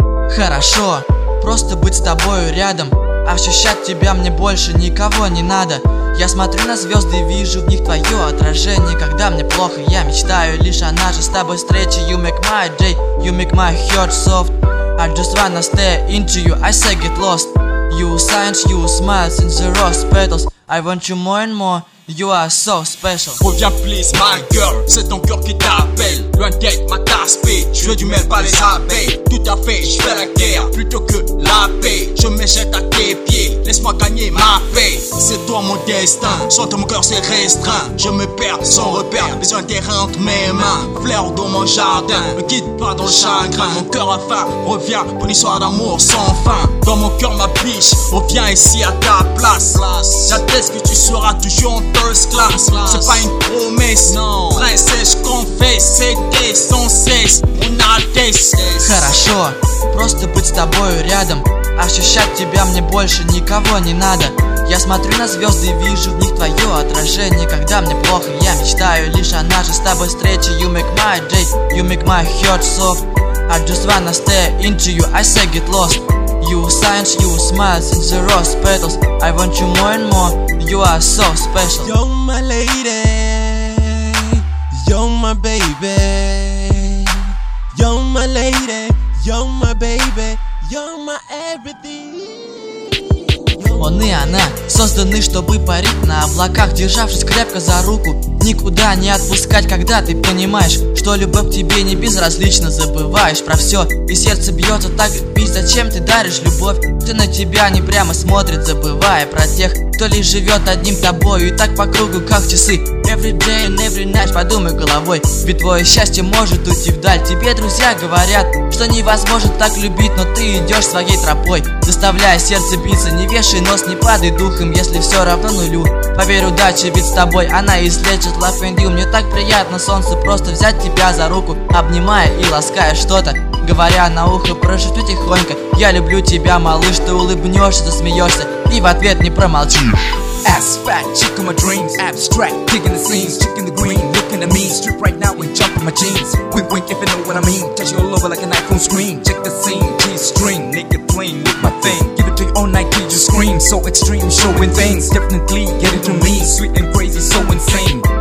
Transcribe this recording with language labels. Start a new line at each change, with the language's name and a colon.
Russian: Хорошо, просто быть с тобою рядом. Ощущать тебя мне больше никого не надо. Я смотрю на звезды и вижу в них твое отражение. Когда мне плохо, я мечтаю лишь о нашей с тобой встрече.
English: You make my day, you make my heart soft. I just wanna stare into you, I say get lost. You signs, you smiles in the rose petals. I want you more and more, you are so special.
French: Reviens
English: please my girl,
French: c'est ton cœur qui t'appelle. Loin d'être ma tasse pied, je veux du miel pas les abeilles. Tout à fait, je fais la guerre plutôt que la paix. Je me jette à tes pieds, laisse-moi gagner ma paix. C'est toi mon destin, sans toi mon cœur c'est restreint. Je me perds sans repère, besoin de terrain entre mes mains. Fleur dans mon jardin, me quitte pas dans le chagrin. Mon cœur a faim, reviens pour une histoire d'amour sans fin. Dans mon cœur ma biche, reviens ici à ta place. J'atteste que tu seras toujours en first class. C'est pas une promesse, non. Princesse, je confesse, c'était sans cesse mon altesse.
Russian: Хорошо, просто быть с тобою рядом. Ощущать тебя мне больше никого не надо. Я смотрю на звезды и вижу в них твое отражение. Когда мне плохо, я мечтаю лишь о нашей с тобой встрече.
English: You make my day, you make my heart soft. I just wanna stare into you, I say get lost. You signs, you smiles in the rose petals. I want you more and more, you are so special. You're my lady, you're my baby. You're my lady, you're my baby. You're my everything.
Russian: Он и она созданы, чтобы парить на облаках. Державшись крепко за руку, никуда не отпускать. Когда ты понимаешь, что любовь тебе не безразлична, забываешь про все, и сердце бьется так, как бить. Зачем ты даришь любовь, кто на тебя не прямо смотрит, забывая про тех, кто лишь живет одним тобою. И так по кругу, как часы.
English: Every day and every night,
Russian: подумай головой. Ведь твое счастье может уйти вдаль. Тебе друзья говорят, что невозможно так любить, но ты идешь своей тропой, заставляя сердце биться. Не вешай нос, не падай духом, если все равно нулю. Поверь, удача ведь с тобой, она излечит.
English: Love and you,
Russian: мне так приятно, солнце, просто взять тебя за руку, обнимая и лаская что-то, говоря на ухо, прошепчу тихонько. Я люблю тебя, малыш, ты улыбнешься, засмеешься и в ответ не промолчишь.
English: As fat, chick on my dreams. Abstract, kicking the scenes. Chick in the green, looking at me. Strip right now and jump in my jeans. Wink, wink, if you know what I mean. Touch you all over like an iPhone screen. Check the scene, G-string, naked plain, make my thing. Give it to you all night, did you scream? So extreme, showing things. Definitely get it to me. Sweet and crazy, so insane.